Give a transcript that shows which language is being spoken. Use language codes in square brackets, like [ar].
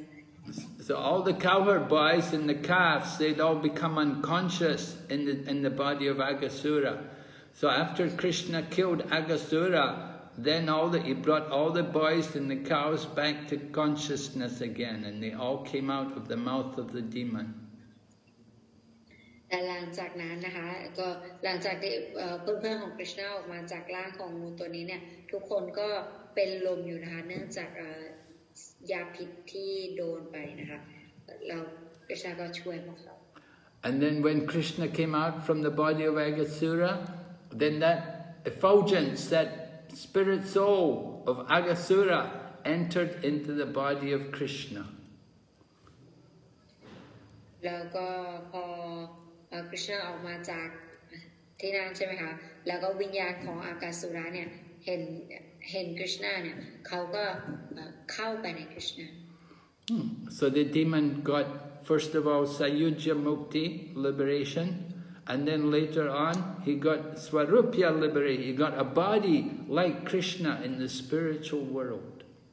[en] So all the cowherd boys and the calves they'd all become unconscious in the body of Aghāsura So after Krishna killed Aghāsura then he brought all the boys and the cows back to consciousness again and they all came out of the mouth of the demon [th] หลังจากนั้นนะคะก็หลังจากที่เพื่อนๆของ Krishna ออกมาจากร่างของงูตัวนี้เนี่ยทุกคนก็เป็นลมอยู่นะคะเนื่องจากยาพิษที่โดนไปนะคะแล้ว Krishna ก็ช่วยพวกเขา [en] And then when Krishna came out from the body of Aghāsura then that effulgence that spirit soul of Aghāsura entered into the body of Krishna [th] แล้วก็พอ Krishna ออกมาจากที่นั่นใช่มั้ยคะแล้วก็วิญญาณของ Aghāsura เนี่ยเห็น Krishna เนี่ยเขาก็เข้าไปใน Krishna [en] So the demon got first of all Sayujya Mukti liberation And then later on, he got Swarupya liberated. He got a body like Krishna in the spiritual world.